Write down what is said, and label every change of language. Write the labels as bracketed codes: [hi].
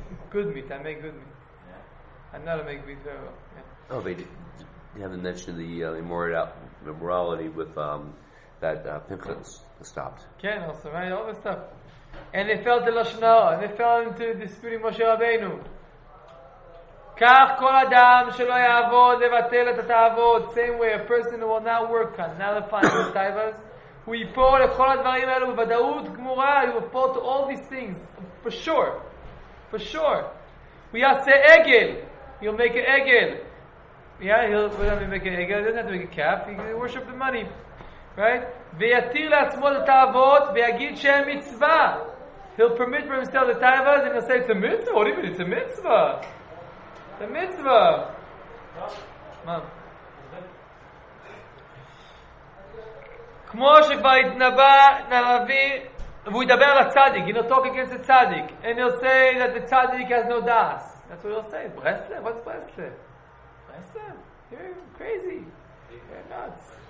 [en] Good meat, I make good meat. Yeah. I know how to make meat very well. Yeah. Oh, they haven't mentioned the immorality with that Pinchas stopped. Can also, right? All this stuff. And they fell to Lashon Hara, and they fell into disputing Moshe Rabbeinu. [he] כך כל אדם שלא יעבוד לבטל את התאוות. [en] Same way, a person who will not work can nullify the taivas. [he] הוא ייפול לכל הדברים האלו בוודאות גמורה. [en] He will fall to all these things. For sure. For sure. [he] הוא יעשה עגל. [en] He'll make an עגל. Yeah, he'll make an עגל. He doesn't have to make a calf. He can worship the money. Right? [he] ויתיר לעצמו את התאוות ויגיד שהם מצווה. [en] He'll permit for himself the taivas and he'll say, it's a mitzvah. What do you mean? It's a mitzvah. The mitzvah. Mom. [he] כמו שכבר התנבא נביא, והוא ידבר על הצדיק. [en] He'll talk against the tzaddik. And he'll say that the tzaddik has no das. That's what he'll say. Breslev? What's Breslev? Breslev? You're crazy. You're nuts.